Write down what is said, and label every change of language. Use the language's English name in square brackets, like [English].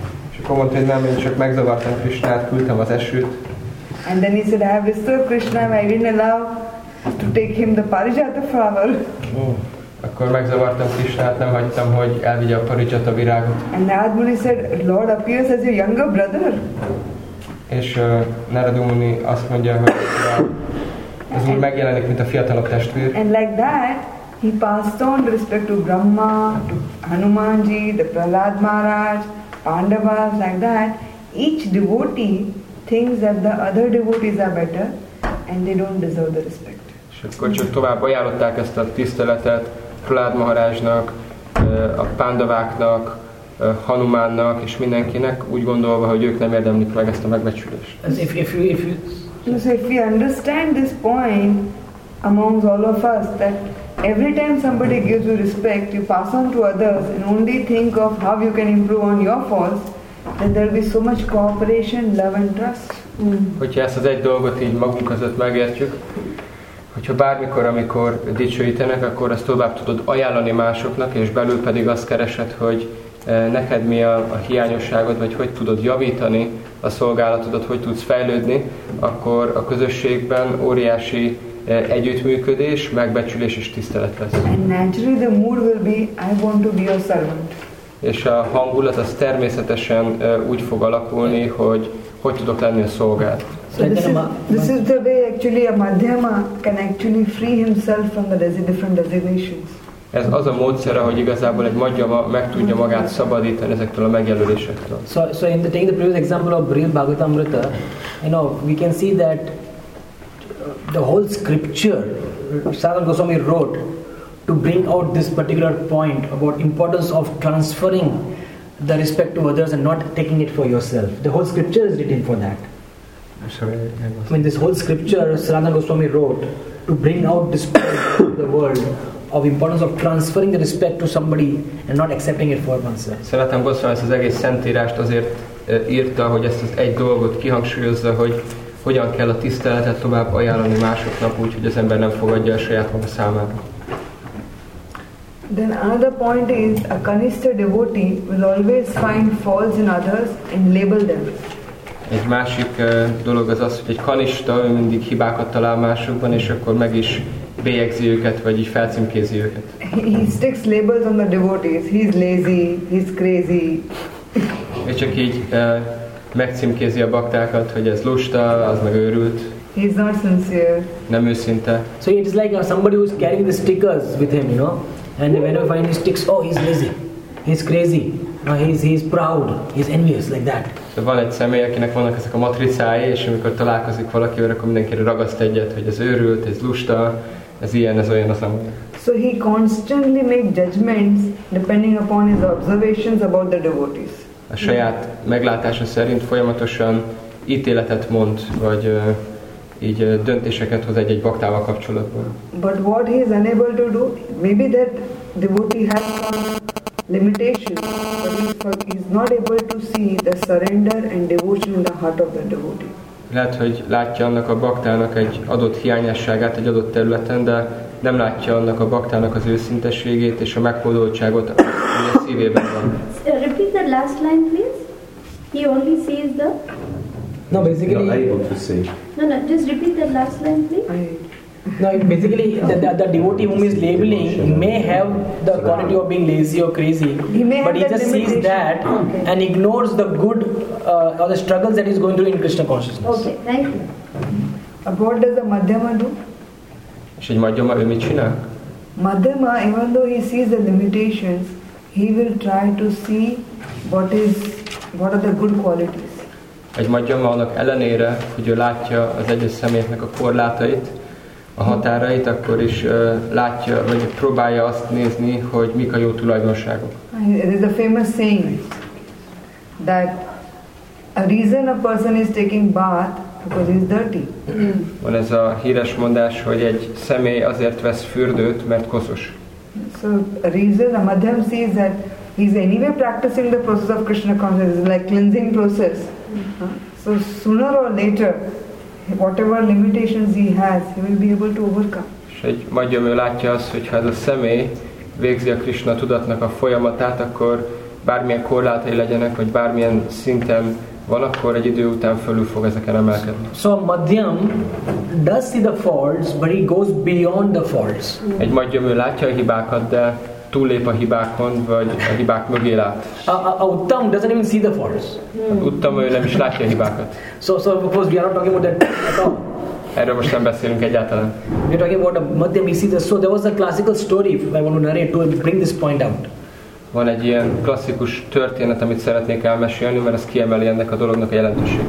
[Hungarian] És akkor mondta, hogy nem, én csak megzavartam Krishnát, küldtem az esőt. [English] And then he said, I have disturbed Krishna, I didn't allow to take him the parijata flower. [Hungarian] Akkor megzavartam Krishnát, nem hagytam, hogy elvigye a parijata virágot. [English] And Narada Muni said, Lord appears as your younger brother. [Hungarian] És Narada Muni azt mondja, hogy ez úgy megjelenik, mint a fiatalabb testvér. [English] And like that, he passed on respect to Brahma, to Hanumanji, the Prahlad Maharaj, Pandavas, like that. Each devotee thinks that the other devotees are better, and they don't deserve the respect. [Hungarian] És akkor csak tovább ajánlották ezt a tiszteletet Prahlad Maharajnak, a Pandaváknak, Hanumannak és mindenkinek, úgy gondolva, hogy ők nem érdemlik meg ezt a megbecsülést. [English] If we understand this point amongst all of us, that every time somebody gives you respect, you pass on to others and only think of how you can improve on your faults, then there will be so much cooperation, love and trust. [Hungarian] Hogyha ezt az egy dolgot így magunk között megértjük, hogyha bármikor, amikor dicsőítenek, akkor ezt tovább tudod ajánlani másoknak, és belül pedig azt keresed, hogy neked mi a hiányosságod, vagy hogy tudod javítani a szolgálatodat, hogy tudsz fejlődni, akkor a közösségben óriási együttműködés, megbecsülés és tisztelet lesz. [English] And naturally the mood will be, I want to be your servant. [Hungarian] És a hangulat az természetesen úgy fog alakulni, hogy tudok lenni a szolgád. [English] So this is the way actually a madhyama can actually free himself from the different designations. [Hungarian] Ez az a módszer, hogy igazából egy magyar meg tudja magát szabadítani ezektől a megjelölésektől. [English] So in the, taking the previous example of real Bhagavatamrita, you know, we can see that the whole scripture Sanatana Goswami wrote to bring out this particular point about importance of transferring the respect to others and not taking it for yourself. The whole scripture is written for that. I mean, this whole scripture Sanatana Goswami wrote to bring out this point to the world of importance of transferring the respect to somebody and not accepting it for oneself. [Hungarian] Sanatana Goswami ezt az egész szentírást azért írta, hogy ezt az egy dolgot kihangsúlyozza, hogy hogyan kell a tiszteletet tovább ajánlani másoknak, úgy, hogy az ember nem fogadja a saját maga számára. [English] Then another point is, a kanista devotee will always find faults in others and label them. [Hungarian] Egy másik dolog az az, hogy egy kanista mindig hibákat talál másokban, és akkor meg is bélyegzi őket, vagy így felcímkézi őket. [English] He sticks labels on the devotees. He's lazy, he's crazy. [Hungarian] És csak így megcímkézi a baktákat, hogy ez lusta, az meg őrült. [English] He's not sincere. [Hungarian] Nem őszinte. [English] So it is like somebody who's carrying the stickers with him, you know? And whenever find his sticks, oh, he's lazy, he's crazy, no, he's proud, he's envious, like that. [Hungarian] De van egy személy, akinek vannak ezek a matricái, és amikor találkozik valakivel, akkor mindenkire ragaszt egyet, hogy ez őrült, ez lusta, ez ilyen, ez olyan, az nem. [English] So he constantly make judgments depending upon his observations about the devotees. [Hungarian] A saját meglátása szerint folyamatosan ítéletet mond, vagy így döntéseket hoz egy-egy baktával kapcsolatban. [English] But what he is unable to do, maybe that devotee has some limitations, but he's not able to see the surrender and devotion in the heart of the devotee. [Hungarian] Lehet, hogy látja annak a baktának egy adott hiányosságát egy adott területen, de nem látja annak a baktának az őszintességét és a megfordultságot, ami a szívében van. [English] Repeat the last line, please. He only sees the... No, basically. Just repeat that last line, please. No, basically, the devotee whom is labeling may have the quality of being lazy or crazy, but he just sees that and ignores the good or the struggles that he is going through in Krishna consciousness. Okay, thank you. And what does the madhyama do? [Hungarian] És egy madhyama, [English] madhyama, even though he sees the limitations, he will try to see what are the good qualities. [Hungarian] Egy madhyama annak ellenére, hogy ő látja az egyes személyeknek a korlátait, a határait, akkor is látja, vagy próbálja azt nézni, hogy mik a jó tulajdonságok. [English] It is a famous saying that a reason a person is taking bath because he is dirty. [Hungarian] Van ez a híres mondás, hogy egy személy azért vesz fürdőt, mert koszos. [English] So a reason a madhyama sees that he is anyway practicing the process of Krishna consciousness, like cleansing process. So sooner or later, whatever limitations he has, he will be able to overcome. [Hungarian] És egy magyar ő látja azt, hogy ha ez a személy végzi a Krishna tudatnak a folyamatát, akkor bármilyen korlátai legyenek, vagy bármilyen szinten van, akkor egy idő után fölül fog ezeken emelkedni. [English] So a madhyam does see the faults, but he goes beyond the faults. [Hungarian] Egy magyar ő látja a hibákat, de túllép a hibákon, vagy a hibák mögé lát. [English] A uttam doesn't even see the faults. [Hungarian] Uttam ő nem is látja a hibákat. [English] So suppose we are not talking about that at all. [Hungarian] Erről most nem beszélünk egyáltalán. [English] We are talking about a madhyam, he sees the... So there was a classical story I want to narrate to bring this point out. [Hungarian] Van egy ilyen klasszikus történet, amit szeretnék elmesélni, mert ez kiemeli ennek a dolognak a jelentőség.